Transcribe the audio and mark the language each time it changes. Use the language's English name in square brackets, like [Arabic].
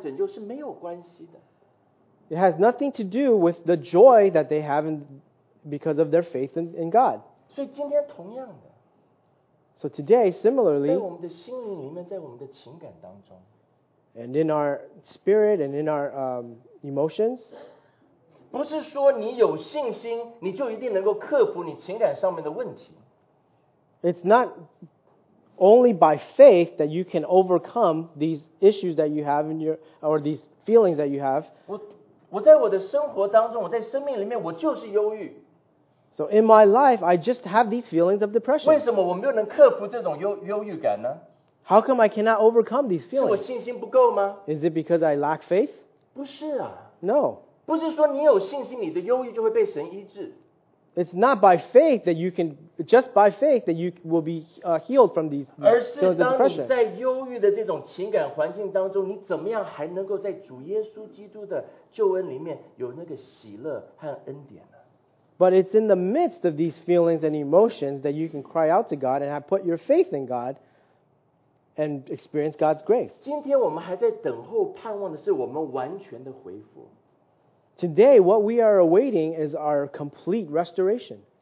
[Chinese] 他走路与否，他看见与否，跟他在主耶稣基督里面生命上面得到的那个喜乐和拯救是没有关系的。 [English] It has nothing to do with the joy that they have because of their faith in God. [Chinese] 所以今天同样的, [English] so today, similarly, [Chinese] 在我们的心灵里面，在我们的情感当中, [English] and in our spirit and in our emotions. [Chinese] 不是说你有信心，你就一定能够克服你情感上面的问题。 [English] It's not only by faith that you can overcome these issues that you have in your or these feelings that you have. [Chinese] 我在我的生活当中，我在生命里面，我就是忧郁。 [English] So in my life, I just have these feelings of depression. [Chinese] 为什么我没有能克服这种忧郁感呢？ [English] How come I cannot overcome these feelings? [Chinese] 是我信心不够吗？ [English] Is it because I lack faith? [Chinese] 不是啊。 [English] No. [Chinese] 不是说你有信心，你的忧郁就会被神医治。 [English] It's not by faith that you can, just by faith that you will be healed from these feelings of depression. [Chinese] 而是当你在忧郁的这种情感环境当中，你怎么样还能够在主耶稣基督的救恩里面有那个喜乐和恩典呢？ [English] But it's in the midst of these feelings and emotions that you can cry out to God and have put your faith in God and experience God's grace. [Chinese] 今天我们还在等候盼望的是我们完全的恢复。 [English] Today, what we are awaiting is our complete restoration.